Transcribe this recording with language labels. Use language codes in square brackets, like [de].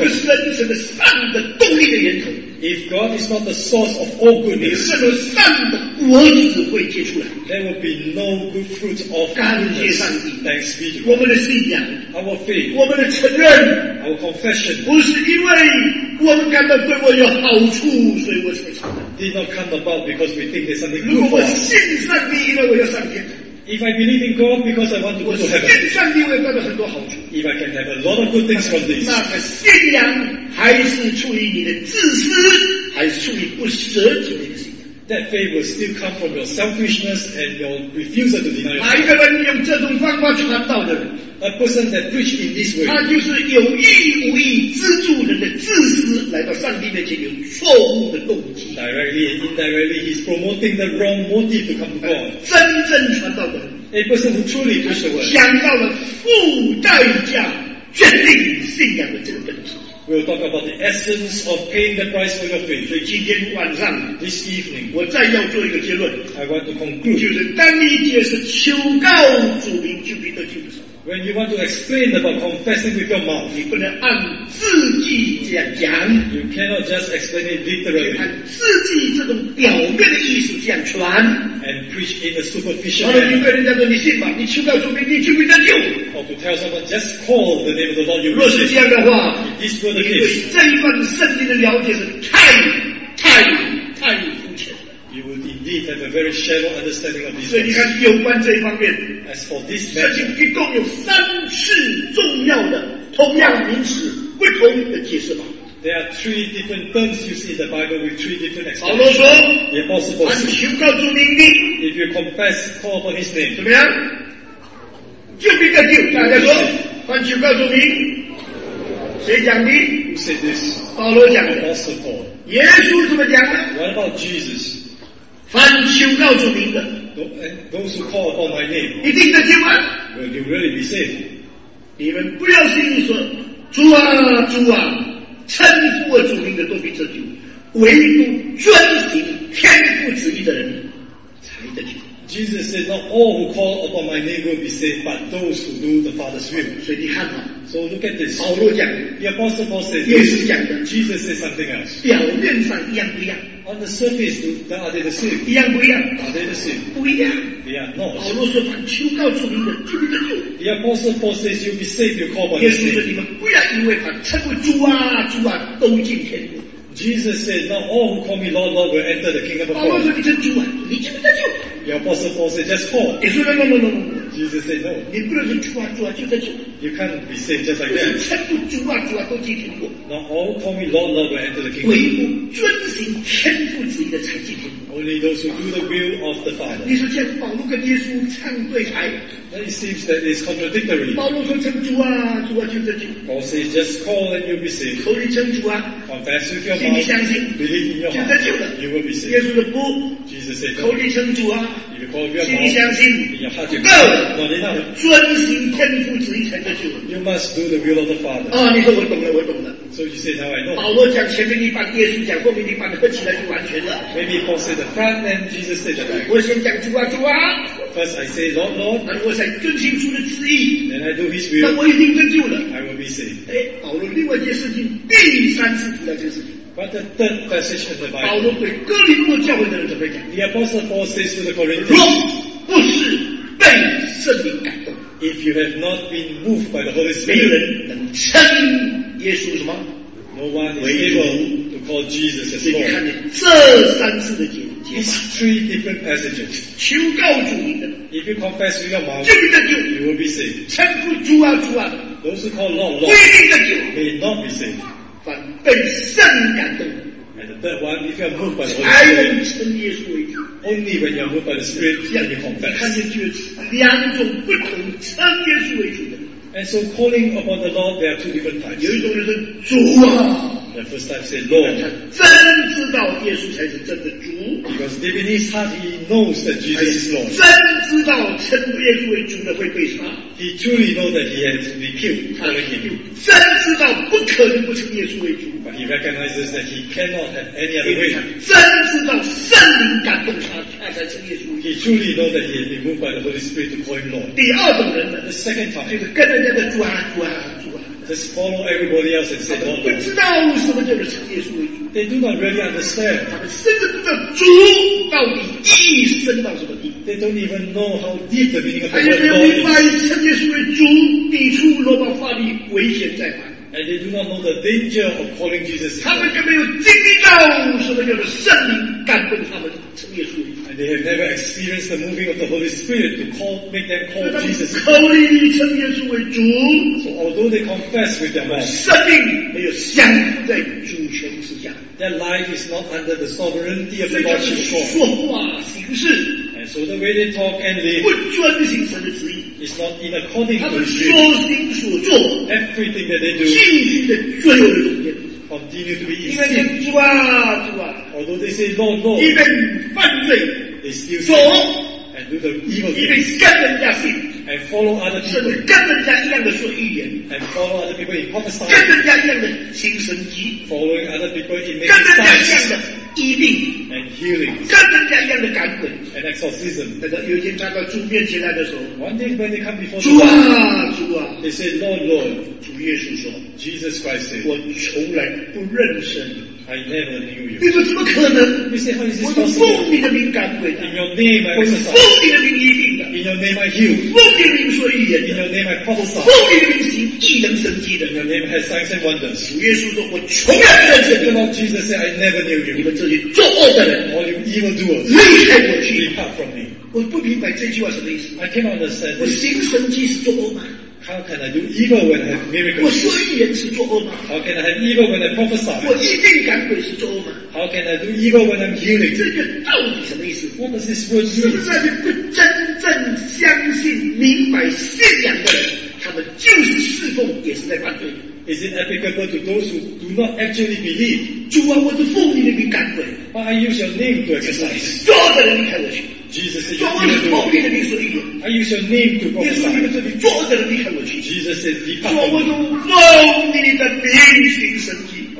[zh] 我不是神是个善的动力的源头。 [en] If God is not the source of all goodness, [zh] 任何善的果子会结出来。 [en] There will be no good fruit of goodness. [zh] 感谢上帝。 [en] Thanks be to God. [zh] 我们的信仰。 [en] Our faith. [zh] 我们的承认。 [en] Our confession. [zh] 不是因为我们感到对我有好处，所以我才承认。 [en] Did not come about because we think there's something good for us. [zh] 如果我信上帝，因为我要上天。 [en] If I believe in God because I want to go to heaven, if I can have a lot of good things from this, [zh] 那个信仰还是出于你的自私，还是出于不舍己的信仰。 [en] That faith will still come from your selfishness and your refusal to deny. [zh] 哪一个人用这种方法传道的 [en] ？A person that preach in this way, [zh] 他就是有意无意资助人的自私来到上帝面前，有错误的动机。 [en] Directly and indirectly, he's promoting the wrong motive to come to God. [zh] 真正传道的 [en] ，A person who truly preach the word, [zh] 讲到了付代价决定信仰的这个问题。 [en] We'll talk about the essence of paying the price for your faith. [zh] 所以今天晚上 [en] ，this evening， [zh] 我再要做一个结论。 [en] I want to conclude， [zh] 就是当你解释求告主名就必得救的时候。 [en] When you want to explain about confessing with your mouth， [zh] 你不能按字句这样讲。 [en] You cannot just explain it literally。 [zh] 按字句这种表面的意思这样传。 [en] And preach in a superficial manner。 [zh] 或者你跟人家说你信吧，你求告主名，你就必得救。 [en] Or to tell someone just call the name of the Lord you receive。 [zh] 若是这样的话。 [en] This word [zh] 你对这一份圣经的了解是太肤浅了。 [en] You would indeed have a very shallow understanding of this. [zh] 所以你看，有关这一方面 [en] ，As for this matter, [zh] 圣经一共有三次重要的同样名词不同的解释法。 [en] There are three different terms you see in the Bible with three different expressions. [zh] 保罗说 [en] ，The apostle Paul said, [zh] 求告主名的 [en] ，If you confess, call upon his name. [zh] 怎么样？就必得救。大家说，凡求告主名。谁讲的？ [en] Who said this? [zh] 保罗讲的。 [en] Apostle Paul. [zh] 耶稣怎么讲的？ [en] What about Jesus? [zh] 凡求告主名的。 [en] Those who call upon my name. [zh] 一定得救吗？ [en] Will you really be saved? [zh] 你们不要信说，主啊，主啊，称呼我主名的都必得救。唯独遵行天父旨意的人才得救。 [en] Jesus said, not all who call upon my name will be saved, but those who do the Father's will. [zh] 所以你看啊， [en] so look at this. [zh] 保罗讲， [en] the Apostle Paul says, [zh] 耶稣讲的， [en] Jesus said something else. [zh] 表面上一样不一样？ [en] On the surface, are they the same? [zh] 一样不一样？ [en] Are they the same? [zh] 不一样。 [en] They are not. [zh] 保罗说，凡求告主名的，就必得救。 [en] The Apostle Paul says, you'll be saved, you call upon my name. [zh] 耶稣说，你们不要因为凡称为主啊，主啊，都进天国。 [en] Jesus said, not all who call me Lord, Lord will enter the kingdom of God. [zh] 保罗说，你称主啊，你就必得救。 [en] The Apostle Paul said, just call. No. Jesus said, no. [zh] 你不能说主啊主啊就得救。 [en] You can't be saved just like that. [zh] 称呼主啊主啊都进天国。 [en] Not all call me Lord, Lord will enter the kingdom. [zh] 唯独遵行天父旨意的才进天国。 [en] Only those who do the will of the Father. [zh] 你说这样保罗跟耶稣唱对台。 [en] Then it seems that it's contradictory. [zh] 保罗说称主啊主啊就得救。 [en] Paul says, just call and you'll be saved. [zh] 口里称主啊。 [en] Confess with your mouth. [zh] 心里相信。 [en] Believe in your heart. [zh] 就得救了。 [en] You will be saved. [zh] 耶稣说不。 [en] Jesus said, no. [zh] 口里称主啊。 [en] If you call your mouth, [zh] 心里相信，不够，遵行天父旨意才得救。 [en] You must do the will of the Father. [zh] 啊，你说我懂了，我懂了。 [en] So you say now I know. [zh] 保罗讲前面一半，耶稣讲后面一半，合起来就完全了。 [en] Maybe Paul said the front and Jesus said the back. [zh] 我先讲主啊主啊。 [en] First I say Lord Lord. [zh] 然后我才遵行主的旨意。 [en] Then I do His will. [zh] 那我一定得救了。 [en] I will be saved. [zh] 哎，保罗另外一件事情，第三次提到这个事情。 [en] But the third passage of the Bible. [zh] 保罗对哥林多教会的人怎么讲？ [en] The Apostle Paul says to the Corinthians. [zh] 若不是被圣灵感动， [en] if you have not been moved by the Holy Spirit, [zh] 没有人能称耶稣什么？ [en] No one is able to call Jesus as Lord. [zh] 所以你看见这三次的解释， [en] it's three different passages. [zh] 求告主名的， [en] if you confess with your mouth, [zh] 就必得救， [en] you will be saved. [zh] 称呼主啊主啊， [en] those who call Lord Lord, [zh] 必定得救， [en] may not be saved. [zh] 凡被圣灵感动， [en] and the third one, if you are moved by the Holy Spirit, [zh] 才能称耶稣为主。 [en] Only when you are moved by the Spirit, can you confess. [zh] 看见就是两种不同称耶稣为主的。 [en] And so calling upon the Lord, there are two different types. [zh] 有一种人说主啊。 [en] The first time say Lord. [zh] 他真知道耶稣才是真的主。 [en] Because deep in his heart, he knows that Jesus is Lord. [zh] 真知道称耶稣为主的会被杀。 [en] He truly knows that he has been killed. [zh] 他被 [en] killed. [zh] 真知道不可能不称耶稣为主。 [en] But he recognizes that he cannot have any other way. [zh] 真知道圣灵感动他，他才称耶稣。 [en] He truly knows that he has been moved by the Holy Spirit to call him Lord. [zh] 第二种人呢？ [en] The second time. [zh] 就是跟着人家的主啊主啊主啊。 [en] Just follow everybody else and say, Lord, Lord. [zh] 他们不知道什么叫做称耶稣为主。 [en] They do not really understand. [zh] 他们甚至不知道主到底意深到什么地。 [en] They don't even know how deep the meaning of the word Lord is. [zh] 他们没有明白称耶稣为主抵触罗马法律危险在哪。 [en] And they do not know the danger of calling Jesus. [zh] 他们就没有经历到什么叫做圣灵感动他们称耶稣为主。 [en] And they have never experienced the moving of the Holy Spirit to call, make them call Jesus. [zh] 口里称耶稣为主。 [en] So although they confess with their mouth, [zh] 生命没有降服在主权之下。 [en] Their life is not under the sovereignty of the Lord Jesus. [zh] 所以就是说话行事。 [en] And so the way they talk and live, [zh] 不遵行神的旨意。 [en] Is not in according to the Spirit. [zh] 他们说行所做。 [en] Everything that they do. [zh] 尽心的遵守主权。 [en] Continue to be in sin. [zh] 一边念主啊主啊。 [en] Although they say Lord Lord. [zh] 一边犯罪。 [en] They still sin. [zh] 说。 [en] And do the evil. [zh] 一边跟人家信。 [en] And follow other people. [zh] 甚至跟人家一样的说预言。 [en] And follow other people in prophesying. [zh] 跟人家一样的行神迹。 [en] Following other people in making signs. [zh] 跟人家一样的医病。 [en] And healing. [zh] 跟人家一样的赶鬼。 [en] And exorcism. [zh] 等到有一天站到主面前来的时候。 [en] One day when they come before the Lord. [zh] 主啊主啊。 [en] They say Lord Lord. [zh] 主耶稣说。 [en] Jesus Christ said. [zh] 我从来不认识你。 [en] I never knew you. [zh] 你说怎么可能？ [en] You say, how is this [zh] 我是奉你的名赶鬼的。 [en] In your name, I [zh] 我是奉你的名医病的。 [en] In your name, I heal. [zh] 奉你的名说预言的。 [en] In your name, I prophesy. [zh] 奉你的名行异能神迹的。 [en] In your name, I have signs and wonders. [zh] 主耶稣说，我从来不认识你。 [en] The Lord Jesus said, I never knew you. [zh] 你们这些作恶的人， [en] all you evil doers, [zh] 离开我去。 [en] Depart from me. [zh] 我不明白这句话什么意思。 [en] I cannot understand. [zh] 我行神迹是作恶吗？ [en] How can I do evil when I have miracles? [zh] 我说预言是作恶吗？ [en] How can I have evil when I prophesy? [zh] 我一定赶鬼是作恶吗？ [en] How can I do evil when I'm healing? [zh] 这个到底什么意思？ [en] What does this word mean? [zh] 是不是那些不真正相信明白信仰的人，他们就是侍奉也是在犯罪？ [en] Is it applicable to those who do not actually believe? [zh] 主啊，我是奉你的名赶鬼。 [en] But I use your name to exercise. [zh] 作恶的人离开我去。 [en] Jesus said, you are the Lord. [zh] 你说你的名字， [en] I use your name to prophesy. [zh] 耶稣你们这里作恶的人离开我去。 [en] Jesus said, depart. [zh] 说我是奉你的名行神迹。